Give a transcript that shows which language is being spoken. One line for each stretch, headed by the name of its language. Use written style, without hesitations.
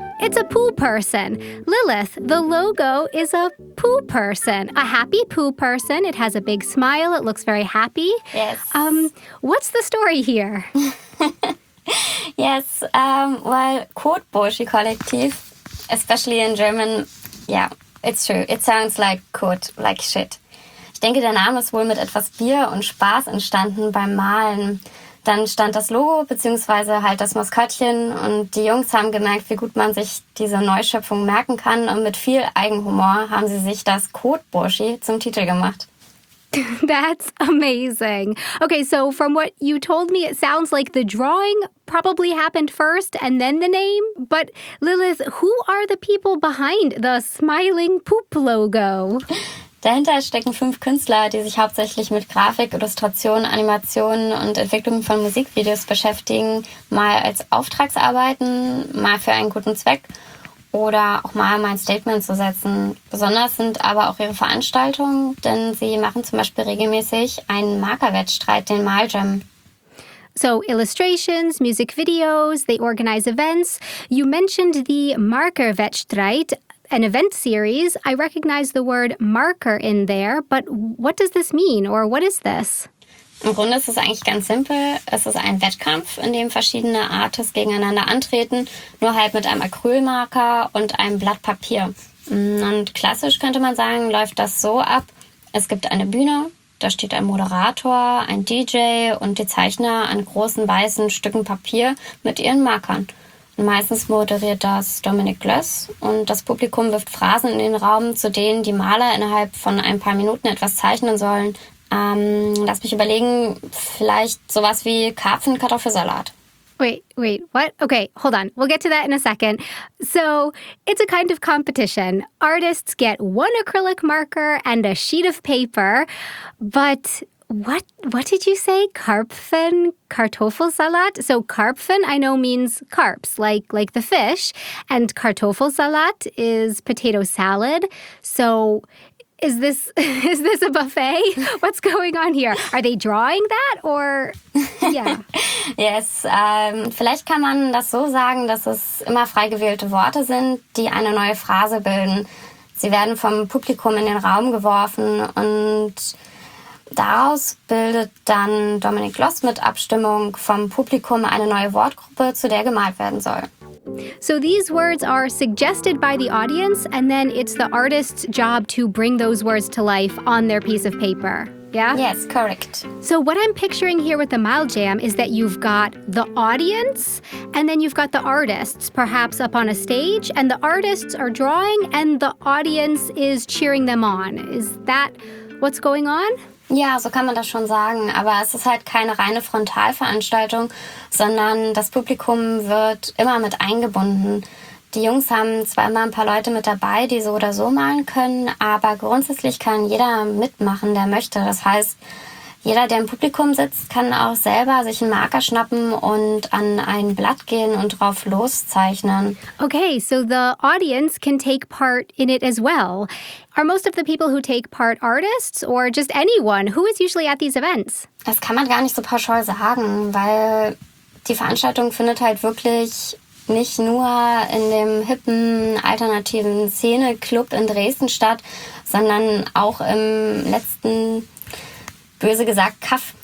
English: It's a poo person. Lilith, the logo is a poo person, a happy poo person. It has a big smile. It looks very happy. Yes. What's the story here? Yes, well, Kotbörsche Kollektiv, especially in German, yeah, it's true. It sounds like Kot, like shit.
German: Ich denke, der Name ist wohl mit etwas Bier und Spaß entstanden beim Malen. Dann stand das Logo, beziehungsweise halt das Maskottchen, und die Jungs haben gemerkt, wie gut man sich diese Neuschöpfung merken kann, und mit viel Eigenhumor haben sie sich das Kotbörsche zum Titel gemacht.
English: That's amazing. Okay, so from what you told me, it sounds like the drawing probably happened first and then the name. But Lilith, who are the people behind the smiling poop logo?
German: Dahinter stecken fünf Künstler, die sich hauptsächlich mit Grafik, Illustration, Animation und Entwicklung von Musikvideos beschäftigen. Mal als Auftragsarbeiten, mal für einen guten Zweck oder auch mal ein Statement zu setzen. Besonders sind aber auch ihre Veranstaltungen, denn sie machen zum Beispiel regelmäßig einen Markerwettstreit, den Maljam.
English: So, illustrations, music videos, they organize events. You mentioned the Markerwettstreit, an event series. I recognize the word marker in there, but what does this mean or what is this?
German: Im Grunde ist es eigentlich ganz simpel. Es ist ein Wettkampf, in dem verschiedene Artists gegeneinander antreten, nur halt mit einem Acrylmarker und einem Blatt Papier. Und klassisch könnte man sagen, läuft das so ab. Es gibt eine Bühne, da steht ein Moderator, ein DJ und die Zeichner an großen weißen Stücken Papier mit ihren Markern. Und meistens moderiert das Dominik Glöss und das Publikum wirft Phrasen in den Raum, zu denen die Maler innerhalb von ein paar Minuten etwas zeichnen sollen. Lass mich überlegen, vielleicht sowas wie Karpfenkartoffelsalat.
English: Wait, what? Okay, hold on. We'll get to that in a second. So, it's a kind of competition. Artists get one acrylic marker and a sheet of paper. But what did you say? Karpfenkartoffelsalat? So, Karpfen, I know, means carps, like the fish. And Kartoffelsalat is potato salad. So, Is this a buffet? What's going on here? Are they drawing that or? Yeah. Yes.
German: Vielleicht kann man das so sagen, dass es immer frei gewählte Worte sind, die eine neue Phrase bilden. Sie werden vom Publikum in den Raum geworfen und daraus bildet dann Dominik Gloss mit Abstimmung vom Publikum eine neue Wortgruppe, zu der gemalt werden soll.
English: So these words are suggested by the audience, and then it's the artist's job to bring those words to life on their piece of paper. Yeah? Yes, correct. So what I'm picturing here with the Mile Jam is that you've got the audience and then you've got the artists, perhaps up on a stage, and the artists are drawing and the audience is cheering them on. Is that what's going on?
German: Ja, so kann man das schon sagen. Aber es ist halt keine reine Frontalveranstaltung, sondern das Publikum wird immer mit eingebunden. Die Jungs haben zwar immer ein paar Leute mit dabei, die so oder so malen können, aber grundsätzlich kann jeder mitmachen, der möchte. Das heißt, jeder, der im Publikum sitzt, kann auch selber sich einen Marker schnappen und an ein Blatt gehen und drauf loszeichnen.
English: Okay, so the audience can take part in it as well. Are most of the people who take part artists or just anyone? Who is usually at these events?
German: Das kann man gar nicht so pauschal sagen, weil die Veranstaltung findet halt wirklich nicht nur in dem hippen alternativen Szene-Club in Dresden statt, sondern auch im letzten, böse gesagt, Kaff.